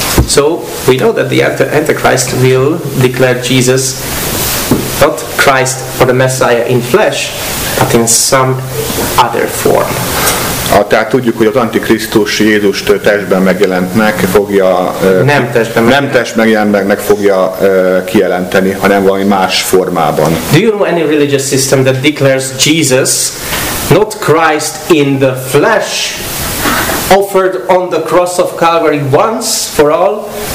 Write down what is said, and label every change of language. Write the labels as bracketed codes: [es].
[en] So we know that the Antichrist will declare Jesus not Christ or the Messiah in flesh, but in some other form. [hu] Tehát tudjuk, hogy az Antikrisztus Jézust testben megjelentnek, fogja nem testben megjelent meg fogja kijelenteni, hanem valami más formában. [en] Do you know any religious system that declares Jesus not Christ in the flesh offered on the cross of Calvary once for all?